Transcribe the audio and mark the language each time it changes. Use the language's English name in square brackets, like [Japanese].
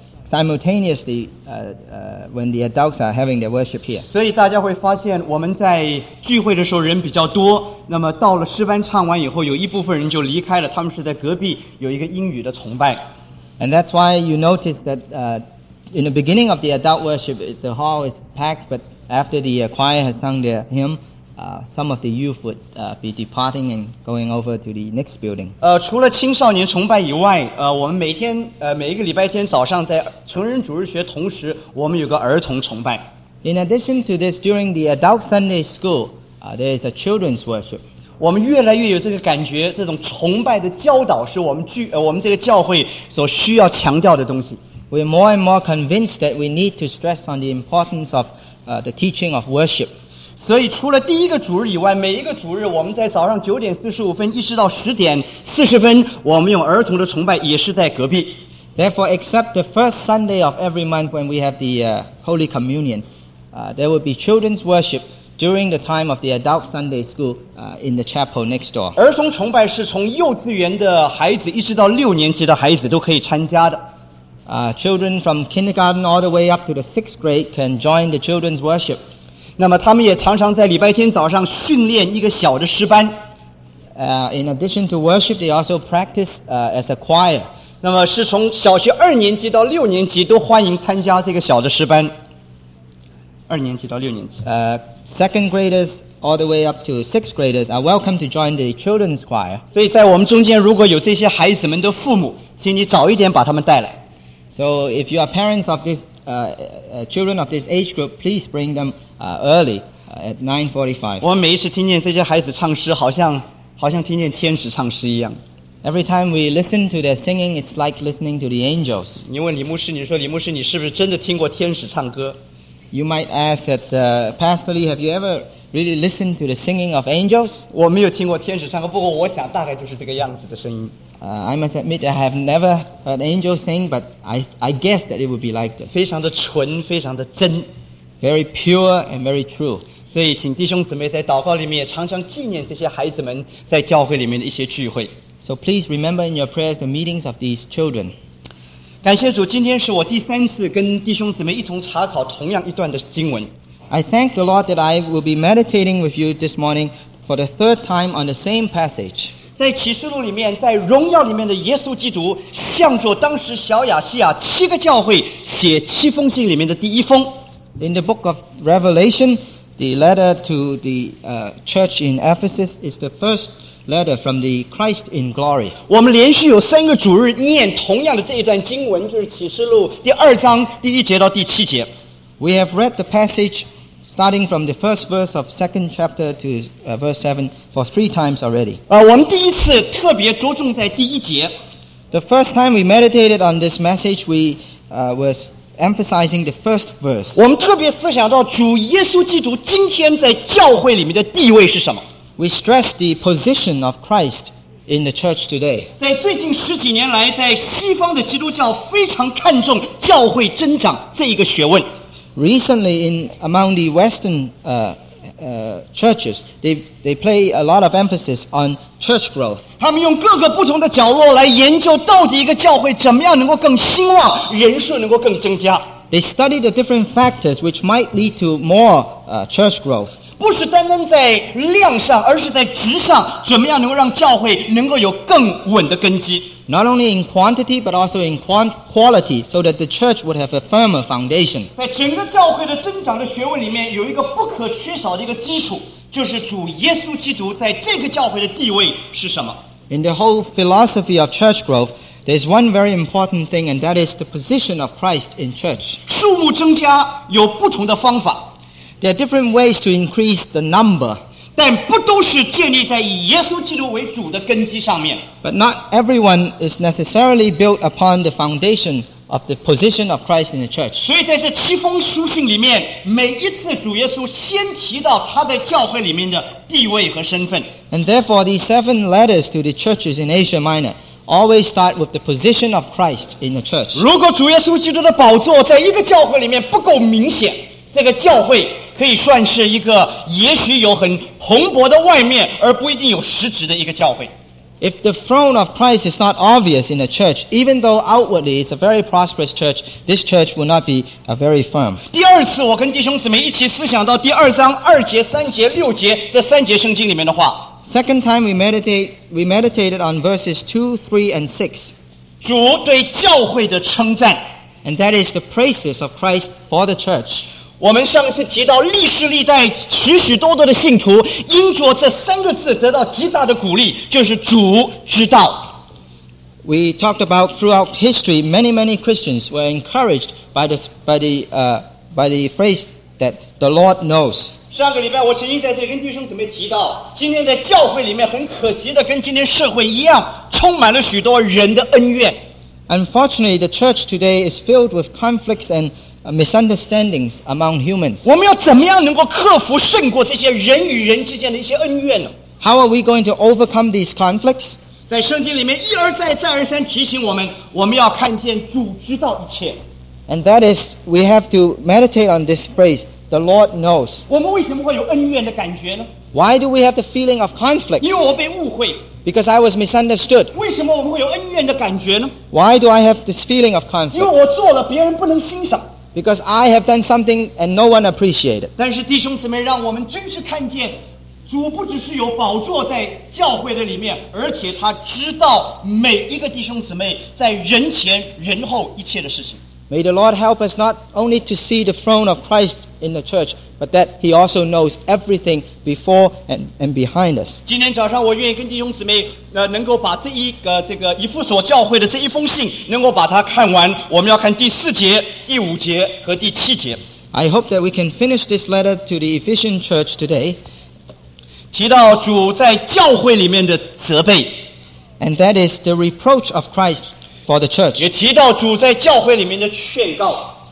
[English] Simultaneously, when the adults are having their worship here. [Chinese] 所以大家会发现我们在聚会的时候人比较多，那么到了诗班唱完以后有一部分人就离开了，他们是在隔壁有一个英语的崇拜。 [English] And that's why you notice that in the beginning of the adult worship the hall is packed, but after the choir has sung their hymn some of the youth would be departing and going over to the next building. [Chinese] 除了青少年崇拜以外，我们每天每一个礼拜天早上在成人主日学同时，我们有个儿童崇拜。 [English] In addition to this, during the adult Sunday school, there is a children's worship. [Chinese] 我们越来越有这个感觉，这种崇拜的教导是我们这个教会所需要强调的东西。 [English] We're more and more convinced that we need to stress on the importance of the teaching of worship. [Chinese] 所以除了第一个主日以外，每一个主日我们在早上9:45一直到10:40我们用儿童的崇拜也是在隔壁。 [English] Therefore except the first Sunday of every month when we have the Holy Communion, there will be children's worship during the time of the adult Sunday school in the chapel next door. [Chinese] 儿童崇拜是从幼稚园的孩子一直到六年级的孩子都可以参加的。 [English] Children from kindergarten all the way up to the sixth grade can join the children's worship. [Chinese] 那么他们也常常在礼拜天早上训练一个小的诗班。 [English] In addition to worship, they also practice as a choir. [Chinese] 那么是从小学二年级到六年级都欢迎参加这个小的诗班。二年级到六年级。 [English] Second graders all the way up to sixth graders are welcome to join the children's choir. [Chinese] 所以在我们中间如果有这些孩子们的父母，请你早一点把他们带来。 [English] So if you are parents of this children of this age group, please bring them. Early at 9:45. [Chinese] 我们每一次听见这些孩子唱诗，好像听见天使唱诗一样。 [English] Every time we listen to their singing, it's like listening to the angels. [Chinese] 你问李牧师，你说李牧师，你是不是真的听过天使唱歌 [English] ？You might ask that, Pastor Lee, have you ever really listened to the singing of angels? [Chinese] 我没有听过天使唱歌，不过我想大概就是这个样子的声音。 [English] I must admit I have never heard angels sing, but I guess that it would be like this. [Chinese] 非常的纯，非常的真。 [English] Very pure and very true. [Chinese] 所以请弟兄姊妹在祷告里面也常常纪念这些孩子们在教会里面的一些聚会。 [English] So please remember in your prayers the meetings of these children. [Chinese] 感谢主，今天是我第三次跟弟兄姊妹一同查考同样一段的经文。 [English] I thank the Lord that I will be meditating with you this morning for the third time on the same passage. [Chinese] 在启示录里面，在荣耀里面的耶稣基督向着当时小亚细亚七个教会写七封信里面的第一封。 [English] In the book of Revelation, the letter to the church in Ephesus is the first letter from the Christ in glory. [Chinese] 我们连续有三个主日念同样的这一段经文，就是启示录第二章第一节到第七节。 [English] We have read the passage starting from the first verse of second chapter to verse 7 for three times already. [Chinese] 我们第一次特别着重在第一节。 [English] The first time we meditated on this message, we was... Emphasizing the first verse. [Chinese] 我们特别思想到主耶稣基督今天在教会里面的地位是什么。 [English] We stress the position of Christ in the church today. [Chinese] 在最近十几年来，在西方的基督教非常看重教会增长这一个学问。 [English] Recently, in among the Western churches, they play a lot of emphasis on church growth. [Chinese] 他们用各个不同的角落来研究到底一个教会怎么样能够更兴旺，人数能够更增加。 [English] They study the different factors which might lead to more church growth. [Chinese] 不是单单在量上，而是在质上，怎么样能够让教会能够有更稳的根基？ [English] Not only in quantity, but also in quality, so that the church would have a firmer foundation. [Chinese] 在整个教会的增长的学问里面，有一个不可缺少的一个基础，就是主耶稣基督在这个教会的地位是什么？ [English] In the whole philosophy of church growth, there is one very important thing, and that is the position of Christ in church. [Chinese] 数目增加有不同的方法。 [English] There are different ways to increase the number. [Chinese] 但不都是建立在以耶稣基督为主的根基上面。 [English] But not everyone is necessarily built upon the foundation of the position of Christ in the church. [Chinese] 所以在这七封书信里面，每一次主耶稣先提到他在教会里面的地位和身份。 [English] And therefore, these seven letters to the churches in Asia Minor always start with the position of Christ in the church. [Chinese] 如果主耶稣基督的宝座在一个教会里面不够明显，这个教会可以算是一个也许有很蓬勃的外面而不一定有实质的一个教会。 [English] If the throne of Christ is not obvious in a church, even though outwardly it's a very prosperous church, this church will not be a very firm. [Chinese] 第二次我跟弟兄姊妹一起思想到第二章二节三节六节这三节圣经里面的话。 [English] Second time we meditated on verses 2, 3 and 6. [Chinese] 主对教会的称赞。 [English] And that is the praises of Christ for the church. [Chinese] 我们上次提到历世历代许许多多的信徒因着这三个字得到极大的鼓励，就是主知道。 [English] We talked about throughout history many many Christians were encouraged by the phrase that the Lord knows. [Chinese] 上个礼拜我曾经在这跟弟兄姊妹提到，今天在教会里面很可惜的跟今天社会一样，充满了许多人的恩怨。 [English] Unfortunately, the church today is filled with conflicts andmisunderstandings among humans. [Chinese] 我们要怎么样能够克服胜过这些人与人之间的一些恩怨呢？ [English] How are we going to overcome these conflicts? [Chinese] 在圣经里面一而再再而三提醒我们，我们要看见主知道一切。 [English] And that is, we have to meditate on this phrase, the Lord knows. [Chinese] 我们为什么会有恩怨的感觉呢？ [English] Why do we have the feeling of conflict? [Chinese] 因为我被误会。 [English] Because I was misunderstood. [Chinese] 为什么我们会有恩怨的感觉呢？ [English] Why do I have this feeling of conflict? [Chinese] 因为我做了别人不能欣赏。 [English] Because I have done something and no one appreciated. [Chinese] 但是弟兄姊妹，让我们真是看见，主不只是有宝座在教会的里面，而且他知道每一个弟兄姊妹在人前人后一切的事情。 [English] May the Lord help us not only to see the throne of Christ in the church, but that He also knows everything before and behind us. [Chinese] 今天早上我愿意跟弟兄姊妹能够把这一个这个以弗所教会的这一封信能够把它看完，我们要看第四节、第五节和第七节。 [English] I hope that we can finish this letter to the Ephesian church today. [Chinese] 提到主在教会里面的责备。 [English] And that is the reproach of Christ. For the church. [Chinese] 也提到主在教会里面的劝告。